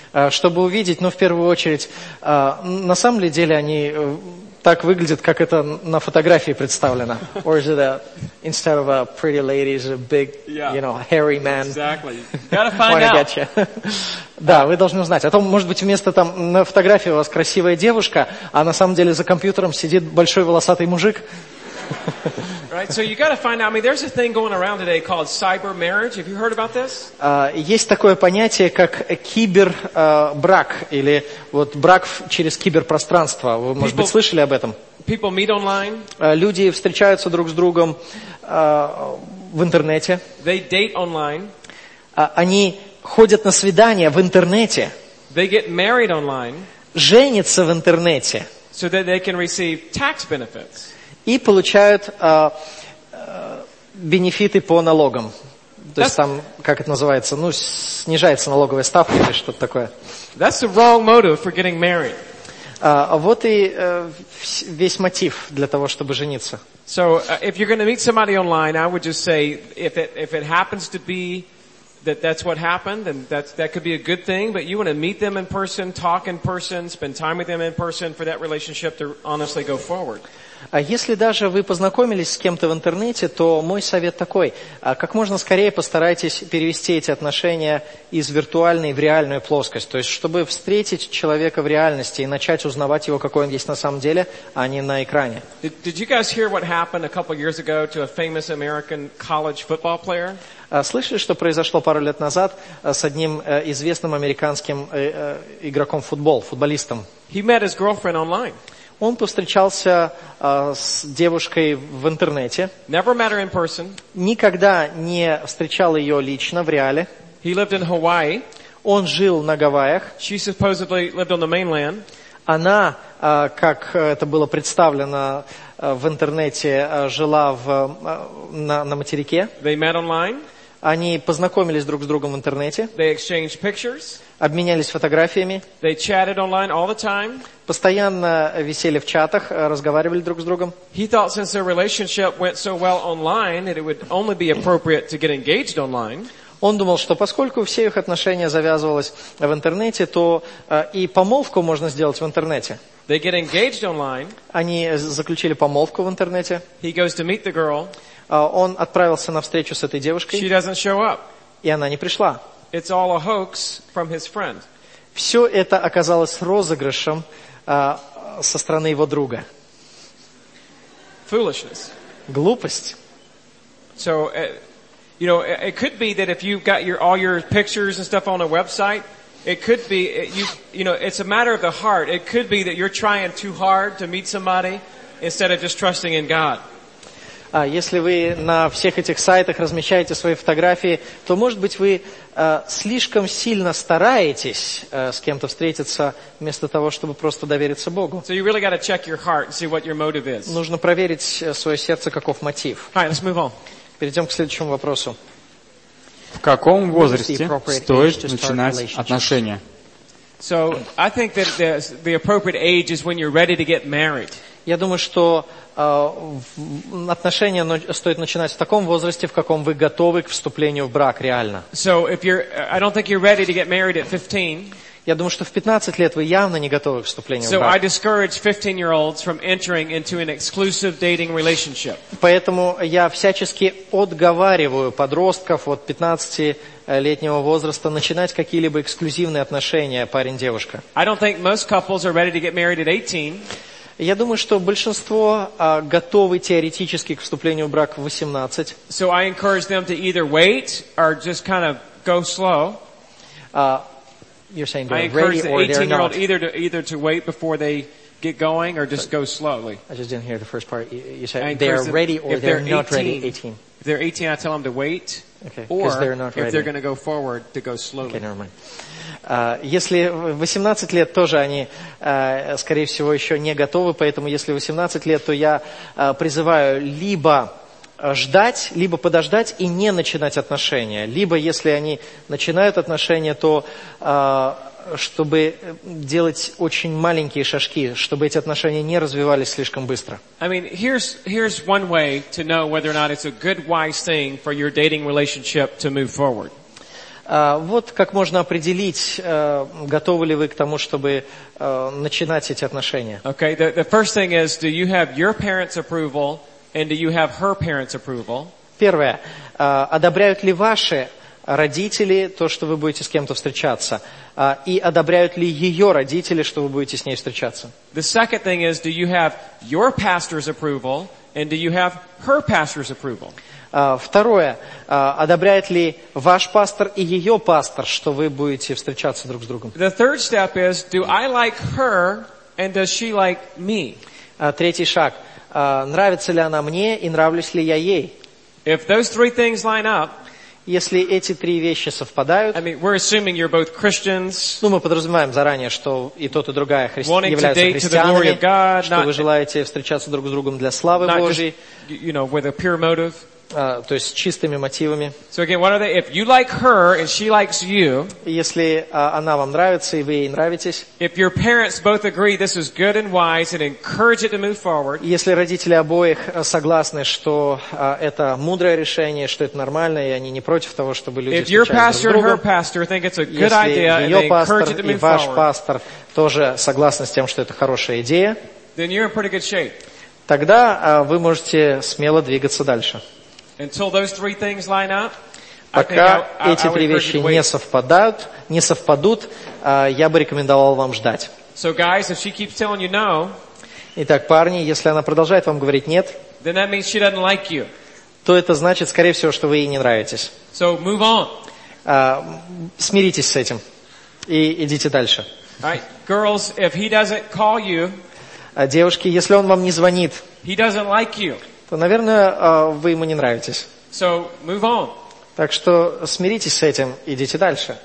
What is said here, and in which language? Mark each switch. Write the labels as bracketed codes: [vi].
[ru] Чтобы увидеть, ну, в первую очередь, на самом ли деле они так выглядят, как это на фотографии представлено. [en] Or is it a, instead of a pretty lady, is a big, yeah. You know, hairy man. Exactly. Gotta find out. Get you. [ru] Да, вы должны узнать. А то, может быть, вместо там на фотографии у вас красивая девушка, а на самом деле за компьютером сидит большой волосатый мужик. [en] Right, so you gotta find out. I mean, there's a thing going around today called cyber marriage. Have you heard about this? [ru] Есть такое понятие, как кибербрак, или вот брак через киберпространство. Вы, может быть, слышали об этом? [en] People meet online. [ru] Люди встречаются друг с другом в интернете. [en] They date online. [ru] Они ходят на свидания в интернете. [en] They get married online. [ru] Женятся в интернете. [en] So that they can receive tax benefits. [ru] И получают бенефиты по налогам. То есть там, как это называется, ну, снижается налоговая ставка или что-то такое. [en] That's the wrong motive for getting married. [ru] Вот и весь мотив для того, чтобы жениться. [en] So, if you're going to meet somebody online, I would just say, if it happens to be that's what happened, then that could be a good thing, but you want to meet them in person, talk in person, spend time with them in person for that relationship to honestly go forward. [ru] А если даже вы познакомились с кем-то в интернете, то мой совет такой. Как можно скорее постарайтесь перевести эти отношения из виртуальной в реальную плоскость. То есть, чтобы встретить человека в реальности и начать узнавать его, какой он есть на самом деле, а не на экране. [en] Did you guys hear what happened a couple years ago to a famous American college football player? [ru] Слышали, что произошло пару лет назад с одним известным американским игроком футболистом? [en] He met his girlfriend online. [ru] Он повстречался с девушкой в интернете. [en] Never met her in person. [ru] Никогда не встречал ее лично в реале. [en] He lived in Hawaii. [ru] Он жил на Гавайях. [en] She supposedly lived on the mainland. [ru] Она, как это было представлено в интернете, жила на материке. [en] They met online. [ru] Они познакомились друг с другом в интернете. [en] They exchanged pictures. [ru] Обменялись фотографиями. [en] They chatted online all the time. [ru] Постоянно висели в чатах, разговаривали друг с другом. [en] He thought since their relationship went so well online, that it would only be appropriate to get engaged online. [ru] он думал, что поскольку все их отношения завязывались в интернете, то и помолвку можно сделать в интернете. [en] They get engaged online. [ru] Они заключили помолвку в интернете. [en] He goes to meet the girl. [ru] Он отправился на встречу с этой девушкой. [en] She doesn't show up. [ru] И она не пришла. [en] It's all a hoax from his friend. [ru] Все это оказалось розыгрышем со стороны его друга. [en] Foolishness. [ru] Глупость. [en] So, you know, it could be that if you've got your all your pictures and stuff on a website, it could be you know, it's a matter of the heart. It could be that you're trying too hard to meet somebody instead of just trusting in God. [ru] Если вы на всех этих сайтах размещаете свои фотографии, то, может быть, вы слишком сильно стараетесь с кем-то встретиться, вместо того, чтобы просто довериться Богу. [en] So you really got to check your heart and see what your motive is. [ru] Нужно проверить свое сердце, каков мотив. [en] All right, let's move on. [ru] Перейдем к следующему вопросу. В каком возрасте стоит начинать отношения? [en] So I think that the appropriate age is when you're ready to get married. [ru] Я думаю, что отношения стоит начинать в таком возрасте, в каком вы готовы к вступлению в брак реально. [en] So if you're, I don't think you're ready to get married at 15. [ru] Я думаю, что в 15 лет вы явно не готовы к вступлению [en] so [ru] в брак. [en] So I discourage 15-year-olds from entering into an exclusive dating relationship. [ru] Поэтому я всячески отговариваю подростков от 15-летнего возраста начинать какие-либо эксклюзивные отношения парень-девушка. [en] I don't think most couples are ready to get married at 18. [ru] Я думаю, что большинство готовы теоретически к вступлению в брак в 18. [en] So I encourage them to either wait or just kind of go slow. You're saying I encourage the 18-year-old either to wait before they get going or just go slowly. I just didn't hear the first part. You said they're ready or they're not ready. 18. If they're 18, I tell them to wait. Okay. Or if they're going to go forward, to go slowly. Okay, never mind. [ru] Если 18 лет, тоже они, скорее всего, еще не готовы, поэтому если 18 лет, то я призываю либо ждать, либо подождать и не начинать отношения. Либо, если они начинают отношения, то чтобы делать очень маленькие шажки, чтобы эти отношения не развивались слишком быстро. [en] I mean, here's one way to know whether or not it's a good wise thing for your dating relationship to move forward. [ru] Вот как можно определить, готовы ли вы к тому, чтобы начинать эти отношения. [en] Okay, the first thing is, do you have your parents' approval and do you have her parents' approval? [ru] Первое. Одобряют ли ваши родители то, что вы будете с кем-то встречаться? И одобряют ли ее родители, что вы будете с ней встречаться? [en] The second thing is, do you have your pastor's approval and do you have her pastor's approval? [ru] Второе. Одобряет ли ваш пастор и ее пастор, что вы будете встречаться друг с другом? [en] The third step is, do I like her and does she like me? [ru] Третий шаг. Нравится ли она мне и нравлюсь ли я ей? [en] If those three things line up, [ru] если эти три вещи совпадают, [en] I mean, we're assuming you're both Christians, [ru] ну, мы подразумеваем заранее, что и тот, и другая являются христианами, что вы желаете встречаться друг с другом для славы Божьей, [en] you know, with a pure motive. [ru] То есть с чистыми мотивами. [en] So again, what are they? If you like her and she likes you, [ru] если она вам нравится и вы ей нравитесь, [en] if your parents both agree this is good and wise and encourage it to move forward, [ru] если родители обоих согласны, что это мудрое решение, что это нормально и они не против того, чтобы люди встречались друг с другом, [en] if your pastor and her pastor think it's a good idea and they encourage it to move forward, [ru] если ваш пастор тоже согласен с тем, что это хорошая идея, [en] then you're in pretty good shape. [ru] Тогда вы можете смело двигаться дальше. [en] Until those three things line up, [ru] пока эти три вещи не совпадут, я бы рекомендовал вам ждать. [en] So guys, if she keeps telling you no, [ru] итак, парни, если она продолжает вам говорить нет, [en] then that means she doesn't like you. [ru] То это значит, скорее всего, что вы ей не нравитесь. [en] So move on. [ru] Смиритесь с этим и идите дальше. [en] All right, girls, if he doesn't call you, [ru] девушки, если он вам не звонит, [en] he doesn't like you. [ru] То, наверное, вы ему не нравитесь. [en] So, move on. [ru] Так что смиритесь с этим, идите дальше.